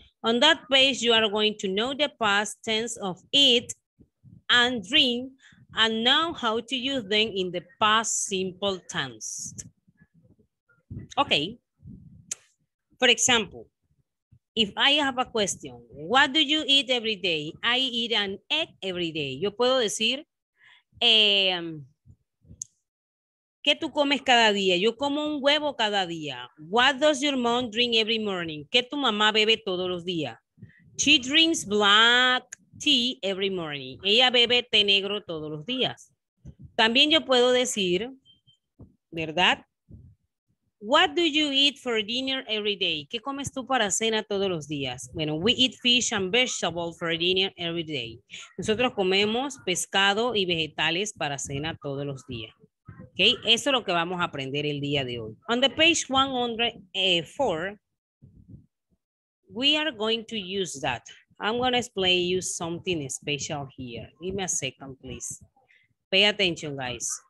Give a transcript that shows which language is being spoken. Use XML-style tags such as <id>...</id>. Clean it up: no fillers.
<en>On that page, you are going to know the past tense of eat and drink and know how to use them in the past simple tense. Okay. For example, if I have a question, what do you eat every day? I eat an egg every day.</en> <es>Yo puedo decir, ¿qué tú comes cada día? Yo como un huevo cada día.</es> <en>What does your mom drink every morning?</en> <es>¿Qué tu mamá bebe todos los días?</es> <en>She drinks black tea every morning.</en> <es>Ella bebe té negro todos los días. También yo puedo decir, ¿verdad?</es> <en>What do you eat for dinner every day?</en> <es>¿Qué comes tú para cena todos los días? Bueno,</es> <en>we eat fish and vegetables for dinner every day.</en> <es>Nosotros comemos pescado y vegetales para cena todos los días. Okay, eso es lo que vamos a aprender el día de hoy.</es> <en>On the page 104, we are going to use that. I'm going to explain you something special here. Give me a second, please. Pay attention, guys.</en>